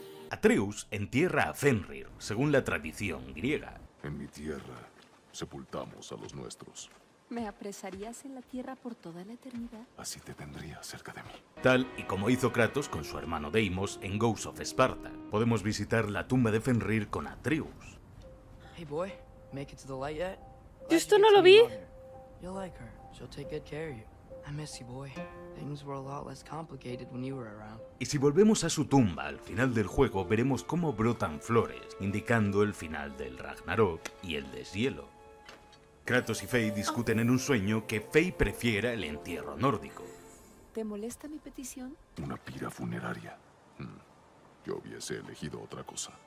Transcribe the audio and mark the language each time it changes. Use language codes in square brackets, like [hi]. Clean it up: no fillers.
[es] Atreus entierra a Fenrir, según la tradición griega. En mi tierra, sepultamos a los nuestros. ¿Me apresarías en la tierra por toda la eternidad? Así te tendría cerca de mí. Tal y como hizo Kratos con su hermano Deimos en Ghost of Sparta. Podemos visitar la tumba de Fenrir con Atreus. [en] Hey boy, make it to the light yet? [es] ¿Yo esto no lo vi? [en] You'll like her. She'll take good care of you. I miss you, boy. Things were a lot less complicated when you were around. [es] Y si volvemos a su tumba al final del juego, veremos cómo brotan flores, indicando el final del Ragnarok y el deshielo. Kratos y Fey discuten en un sueño que Fey prefiera el entierro nórdico. ¿Te molesta mi petición? Una pira funeraria. Yo hubiese elegido otra cosa.